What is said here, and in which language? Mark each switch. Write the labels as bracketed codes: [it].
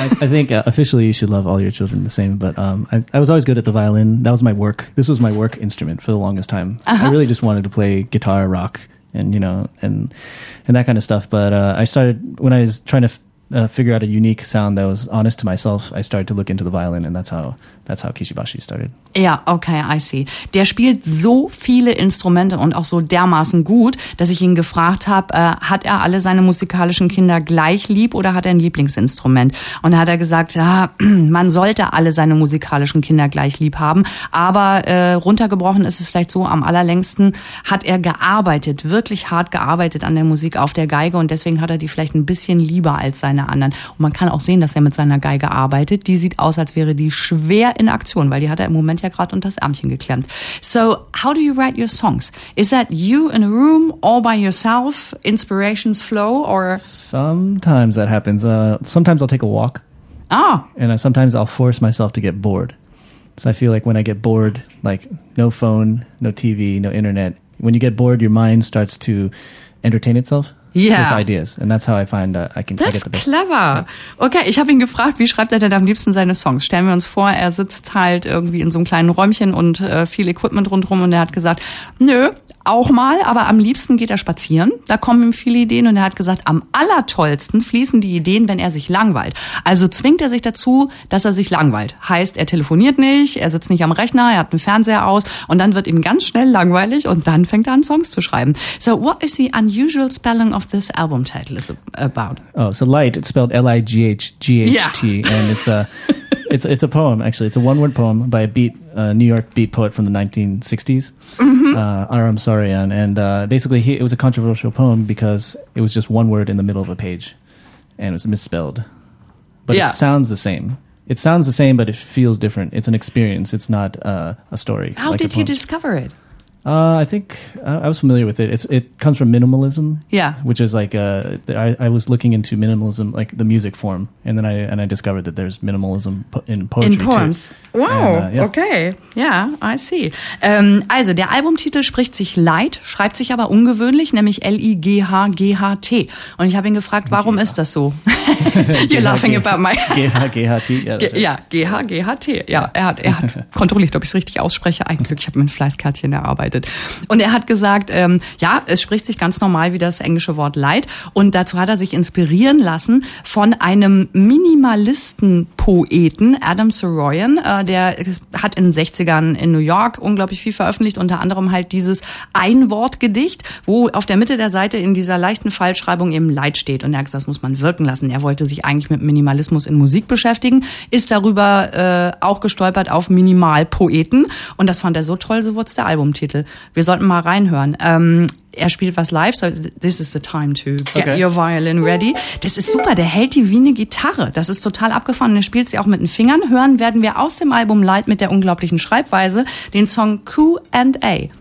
[en] I think officially you should love all your children the same, but I was always good at the violin. That was my work. This was my work instrument for the longest time. Uh-huh. I really just wanted to play guitar, rock, and you know, and that kind of stuff. But I started when I was trying to figure out a unique sound that was honest to myself. I started to look into the violin, and that's how Kishi Bashi started. Yeah, okay, I see. [de] Der spielt so viele Instrumente und auch so dermaßen gut, dass ich ihn gefragt habe, hat er alle seine musikalischen Kinder gleich lieb oder hat er ein Lieblingsinstrument? Und da hat er gesagt, ja, man sollte alle seine musikalischen Kinder gleich lieb haben. Aber runtergebrochen ist es vielleicht so, am allerlängsten hat er gearbeitet, wirklich hart gearbeitet an der Musik auf der Geige und deswegen hat er die vielleicht ein bisschen lieber als seine anderen. Und man kann auch sehen, dass er mit seiner Geige arbeitet. Die sieht aus, als wäre die schwer in Aktion, weil die hat er im Moment ja gerade unter das Ärmchen geklemmt. [en] So, how do you write your songs? Is that you in a room all by yourself, inspirations flow, or? Sometimes that happens. Sometimes I'll take a walk. Ah. And sometimes I'll force myself to get bored. So I feel like when I get bored, like no phone, no TV, no internet. When you get bored, your mind starts to entertain itself. Yeah. With ideas. And that's how I find I can that's I get the best. Clever. [de] Okay, ich habe ihn gefragt, wie schreibt er denn am liebsten seine Songs? Stellen wir uns vor, er sitzt halt irgendwie in so einem kleinen Räumchen und viel Equipment rundherum und er hat gesagt, nö, auch mal, aber am liebsten geht er spazieren. Da kommen ihm viele Ideen und er hat gesagt, am allertollsten fließen die Ideen, wenn er sich langweilt. Also zwingt er sich dazu, dass er sich langweilt. Heißt, er telefoniert nicht, er sitzt nicht am Rechner, er hat einen Fernseher aus und dann wird ihm ganz schnell langweilig und dann fängt er an, Songs zu schreiben. [en] So, what is the unusual spelling of this album title is about? Oh, so Light, it's spelled L-I-G-H-G-H-T. Yeah. And it's a poem, actually. It's a one-word poem by a New York beat poet from the 1960s, Aram Sarian. And basically, it was a controversial poem because it was just one word in the middle of a page, and it was misspelled. But yeah. It sounds the same. It sounds the same, but it feels different. It's an experience. It's not a story. How like did you discover it? I think I was familiar with it. It comes from minimalism. Yeah. Which is like, I was looking into minimalism, like the music form. And then I discovered that there's minimalism in poetry too. In poems. Too. Wow. Yeah. Okay. Yeah, I see. [de] Also, der Albumtitel spricht sich Light, schreibt sich aber ungewöhnlich, nämlich L-I-G-H-G-H-T. Und ich habe ihn gefragt, warum ist das so? [en] You're laughing about my... G-H-G-H-T. [de] Ja, G-H-G-H-T. Ja, er hat kontrolliert, ob ich es richtig ausspreche. Ein Glück, ich habe mir ein Fleißkärtchen erarbeitet. Und er hat gesagt, ja, es spricht sich ganz normal wie das englische Wort Light. Und dazu hat er sich inspirieren lassen von einem Minimalisten-Poeten, Adam Saroyan, der hat in den 60ern in New York unglaublich viel veröffentlicht, unter anderem halt dieses Einwortgedicht, wo auf der Mitte der Seite in dieser leichten Falschschreibung eben Leid steht. Und er hat gesagt, das muss man wirken lassen. Er wollte sich eigentlich mit Minimalismus in Musik beschäftigen, ist darüber auch gestolpert auf Minimalpoeten. Und das fand er so toll, so wurde es der Albumtitel. Wir sollten mal reinhören. Er spielt was live, [en] so this is the time to get okay. your violin ready. [de] Das ist super, der hält die wie eine Gitarre. Das ist total abgefahren. Er spielt sie auch mit den Fingern. Hören werden wir aus dem Album Light mit der unglaublichen Schreibweise den Song Q&A.